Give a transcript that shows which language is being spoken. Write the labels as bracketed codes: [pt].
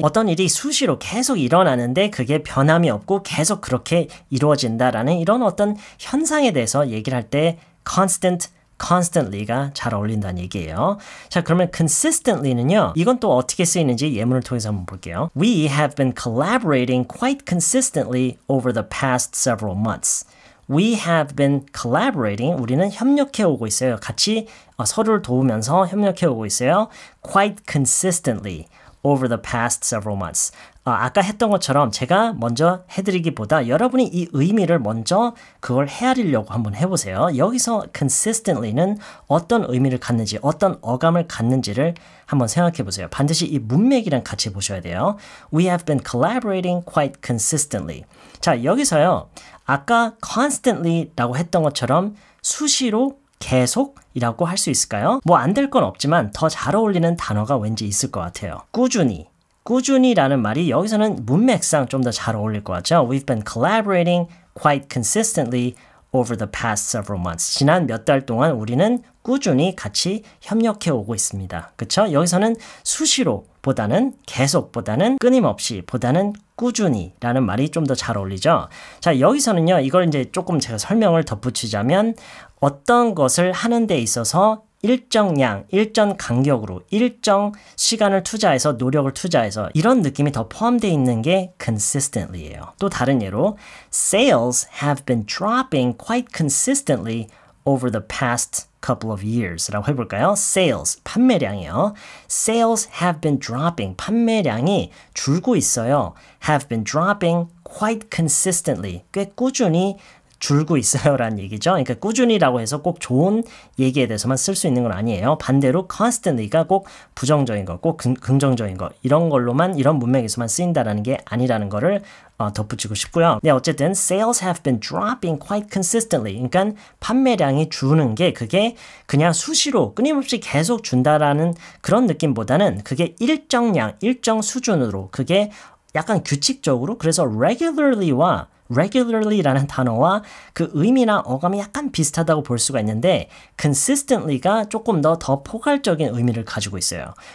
[ko] 어떤 일이 수시로 계속 일어나는데 그게 변함이 없고 계속 그렇게 이루어진다라는 이런 어떤 현상에 대해서 얘기를 할 때 constantly가 잘 어울린다는 얘기예요. 자, 그러면 consistently는요. 이건 또 어떻게 쓰이는지 예문을 통해서 한번 볼게요. [en] We have been collaborating quite consistently over the past several months. We have been collaborating. [ko] 우리는 협력해 오고 있어요. 같이 서로를 도우면서 협력해 오고 있어요. [en] Quite consistently over the past several months. [ko] 아까 했던 것처럼 제가 먼저 해드리기보다 여러분이 이 의미를 먼저 그걸 헤아리려고 한번 해보세요. 여기서 consistently는 어떤 의미를 갖는지 어떤 어감을 갖는지를 한번 생각해보세요. 반드시 이 문맥이랑 같이 보셔야 돼요. [en] We have been collaborating quite consistently. [ko] 자, 여기서요. 아까 constantly라고 했던 것처럼 수시로 계속이라고 할 수 있을까요? 뭐 안 될 건 없지만 더 잘 어울리는 단어가 왠지 있을 것 같아요. 꾸준히. 꾸준히라는 말이 여기서는 문맥상 좀 더 잘 어울릴 것 같죠? [en] We've been collaborating quite consistently over the past several months. [ko] 지난 몇 달 동안 우리는 꾸준히 같이 협력해 오고 있습니다. 그렇죠? 여기서는 수시로 보다는 계속 보다는 끊임없이 보다는 꾸준히라는 말이 좀 더 잘 어울리죠? 자, 여기서는요. 이걸 이제 조금 제가 설명을 덧붙이자면 어떤 것을 하는 데 있어서 일정량, 일정 간격으로, 일정 시간을 투자해서, 노력을 투자해서 이런 느낌이 더 포함되어 있는 게 consistently예요. 또 다른 예로 [en] Sales have been dropping quite consistently over the past couple of years [ko] 라고 해볼까요? [en] Sales, [ko] 판매량이요. [en] Sales have been dropping, [ko] 판매량이 줄고 있어요. [en] Have been dropping quite consistently, [ko] 꽤 꾸준히 줄고 있어요 라는 얘기죠. 그러니까 꾸준히라고 해서 꼭 좋은 얘기에 대해서만 쓸 수 있는 건 아니에요. 반대로 constantly가 꼭 부정적인 거, 꼭 긍정적인 거 이런 걸로만 이런 문맥에서만 쓰인다라는 게 아니라는 거를 덧붙이고 싶고요. 네, 어쨌든 [en] sales have been dropping quite consistently. [ko] 그러니까 판매량이 주는 게 그게 그냥 수시로 끊임없이 계속 준다라는 그런 느낌보다는 그게 일정량, 일정 수준으로 그게 약간 규칙적으로 그래서 regularly와 regularly라는 단어와 그 의미나 어감이 약간 비슷하다고 볼 수가 있는데 consistently가 조금 더 포괄적인 의미를 가지고 있어요.